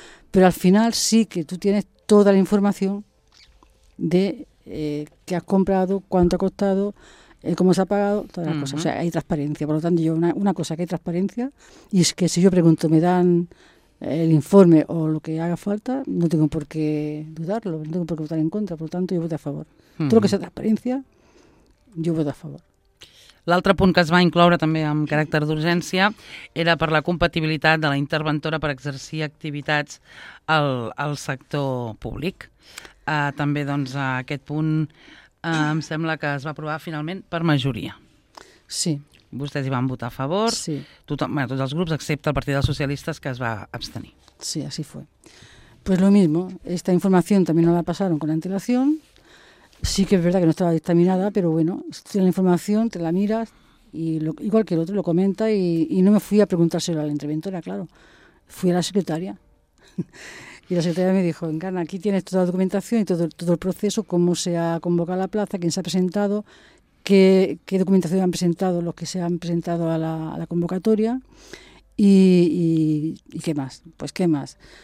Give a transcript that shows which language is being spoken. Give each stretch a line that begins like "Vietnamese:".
Spanish: Pero al final sí que tú tienes toda la información de qué has comprado, cuánto ha costado, cómo se ha pagado, todas las cosas. O sea, hay transparencia. Por lo tanto, yo una cosa que hay transparencia y es que si yo pregunto, me dan el informe o lo que haga falta, no tengo por qué dudarlo, no tengo por qué votar en contra. Por lo tanto, yo voto a favor. Todo lo que sea transparencia, yo voto a favor.
Catalan: L'altre punt que es va incloure també amb caràcter d'urgència era per la compatibilitat de la interventora per exercir activitats al sector públic. També doncs, aquest punt em sembla que es va aprovar finalment per majoria. Sí. Vostès hi van votar a favor. Sí. Tots els grups, excepte el Partit dels Socialistes, que es va abstenir.
Spanish: Sí, así fue. Pues lo mismo, esta información también no la pasaron con antelación. Sí que es verdad que no estaba dictaminada, pero bueno, tienes la información, te la miras y igual que el otro lo comenta y no me fui a preguntárselo a la interventora, claro. Fui a la secretaria y la secretaria me dijo, Encarna, aquí tienes toda la documentación y todo el proceso, cómo se ha convocado la plaza, quién se ha presentado, qué documentación han presentado los que se han presentado a la convocatoria y qué más. Pues qué más.